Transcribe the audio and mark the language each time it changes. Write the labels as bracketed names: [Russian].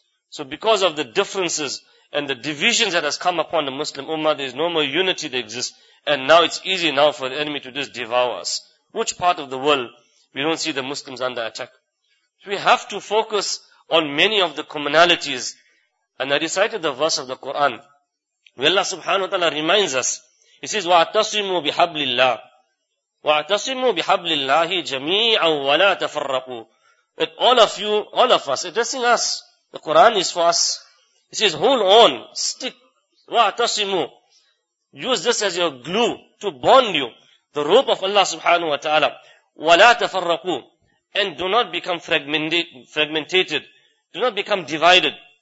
[English] So because of the differences and the divisions that has come upon the Muslim Ummah, there is no more unity that exists. And now it's easy now for the enemy to just devour us. Which part of the world we don't see the Muslims under attack? We have to focus on many of the commonalities. And I recited the verse of the Quran, where Allah subhanahu wa ta'ala reminds us. He says, [Arabic] وَاَعْتَصِمُوا بِحَبْلِ اللَّهِ وَاَعْتَصِمُوا بِحَبْلِ اللَّهِ جَمِيعًا وَلَا تَفَرَّقُوا. [English] That all of you, all of us, addressing us. The Quran is for us. He says, hold on, stick. [Arabic] وَاَعْتَصِمُوا. [English] Use this as your glue to bond you. The rope of Allah subhanahu wa ta'ala. [Arabic] وَلَا تَفَرَّقُوا. [English] And do not become fragmented. Do not become divided.